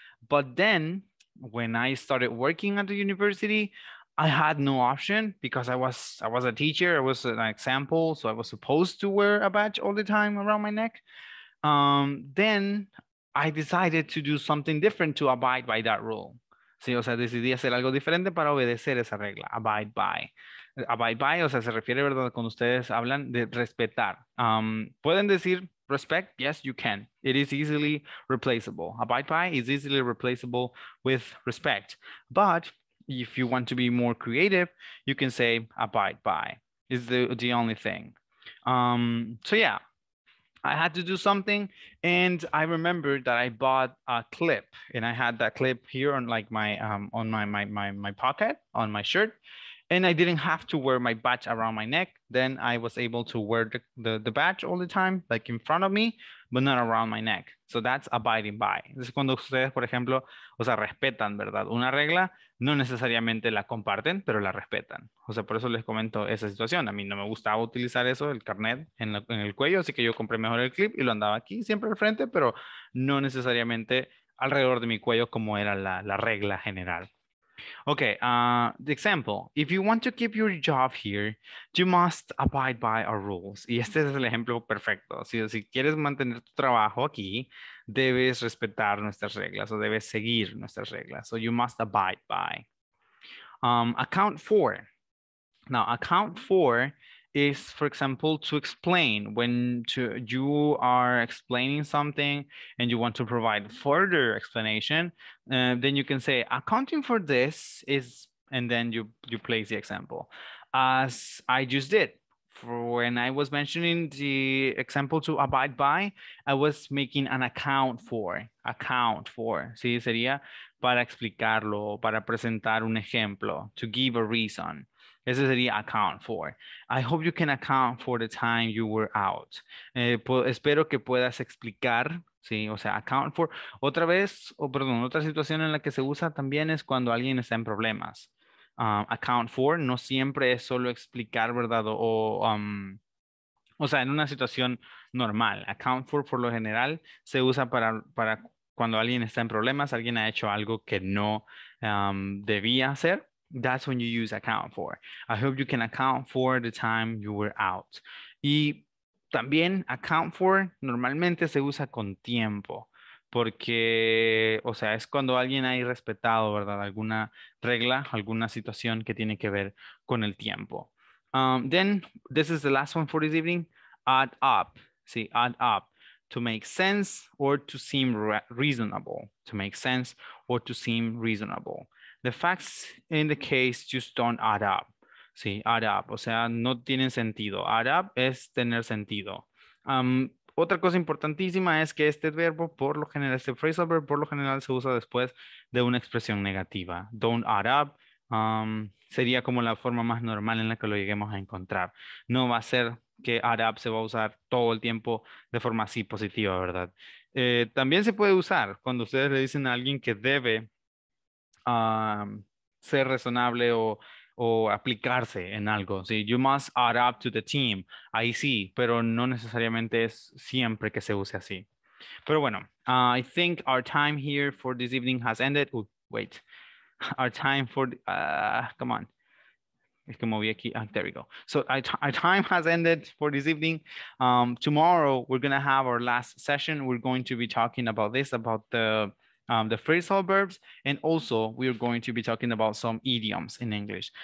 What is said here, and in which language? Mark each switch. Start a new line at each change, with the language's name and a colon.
English: But then when I started working at the university, I had no option because I was a teacher. I was an example. So I was supposed to wear a badge all the time around my neck. Then I decided to do something different to abide by that rule.
Spanish: Sí, o sea, decidí hacer algo diferente para obedecer esa regla, abide by. Abide by, o sea, se refiere, ¿verdad?, cuando ustedes hablan de respetar. ¿Pueden decir respect?
English: Yes, you can. It is easily replaceable. Abide by is easily replaceable with respect. But if you want to be more creative, you can say abide by. It's the only thing. So yeah. I had to do something and I remember that I bought a clip and I had that clip here on like my on my pocket on my shirt, and I didn't have to wear my badge around my neck. Then I was able to wear the badge all the time, like in front of me, but not around my neck. So that's abiding by.
Spanish: Es cuando ustedes, por ejemplo, o sea, respetan, ¿verdad?, una regla, no necesariamente la comparten, pero la respetan. O sea, por eso les comento esa situación. A mí no me gustaba utilizar eso, el carnet en el cuello, así que yo compré mejor el clip y lo andaba aquí siempre al frente, pero no necesariamente alrededor de mi cuello como era la regla general.
English: Okay, the example, if you want to keep your job here, you must abide by our rules.
Spanish: Y este es el ejemplo perfecto. Si quieres mantener tu trabajo aquí, debes respetar nuestras reglas o debes seguir nuestras reglas.
English: So you must abide by. Account for. Now, account for is, for example, to explain. When you are explaining something and you want to provide further explanation, then you can say, accounting for this is, and then you place the example. As I just did, for when I was mentioning the example to abide by, I was making an account for.
Spanish: Sí, sería para explicarlo, para presentar un ejemplo,
English: to give a reason.
Spanish: Ese sería account for.
English: I hope you can account for the time you were out.
Spanish: Espero que puedas explicar, ¿sí? O sea, account for. Otra vez, otra situación en la que se usa también es cuando alguien está en problemas. Account for no siempre es solo explicar, ¿verdad? O sea, en una situación normal. Account for lo general, se usa para cuando alguien está en problemas, alguien ha hecho algo que no debía hacer.
English: That's when you use account for. I hope you can account for the time you were out.
Spanish: Y también account for normalmente se usa con tiempo. Porque, o sea, es cuando alguien ha irrespetado, ¿verdad? Alguna regla, alguna situación que tiene que ver con el tiempo.
English: Then, this is the last one for this evening. Add up. See, add up. To make sense or to seem reasonable. To make sense or to seem reasonable. The facts in the case just don't add up.
Spanish: See, add up. O sea, no tienen sentido. Add up es tener sentido. Otra cosa importantísima es que este verbo, por lo general, este phrasal verb, por lo general se usa después de una expresión negativa. Don't add up sería como la forma más normal en la que lo lleguemos a encontrar. No va a ser que add up se va a usar todo el tiempo de forma así positiva, ¿verdad? También se puede usar cuando ustedes le dicen a alguien que debe ser razonable o aplicarse en algo. ¿Sí?
English: You must add up to the team.
Spanish: Ahí sí, pero no necesariamente es siempre que se use así. Pero bueno,
English: I think our time here for this evening has ended. Wait. Our time for... come on.
Spanish: Es que moví aquí.
English: Ah, there we go. So our time has ended for this evening. Tomorrow, we're going to have our last session. We're going to be talking about this, about the phrasal verbs, and also we're going to be talking about some idioms in English.